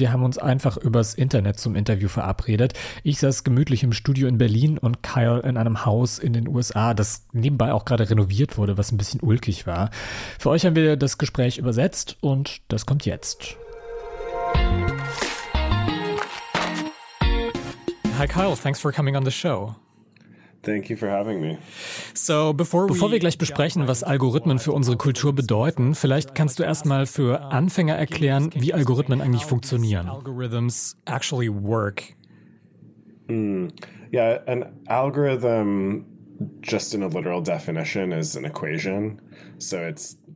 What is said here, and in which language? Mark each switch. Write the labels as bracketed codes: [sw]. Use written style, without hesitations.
[de] Wir haben uns einfach übers Internet zum Interview verabredet. Ich saß gemütlich im Studio in Berlin und Kyle in einem Haus in den USA, das nebenbei auch gerade renoviert wurde, was ein bisschen ulkig war. Für euch haben wir das Gespräch übersetzt und das kommt jetzt. [en] Hi Kyle, thanks for coming on the show. Thank you for having me. [de] So bevor wir gleich besprechen, was Algorithmen für unsere Kultur bedeuten, vielleicht kannst du erstmal für Anfänger erklären, wie Algorithmen eigentlich funktionieren. [en] Algorithms actually work. Yeah, an algorithm, just in a literal definition, is an equation. So it's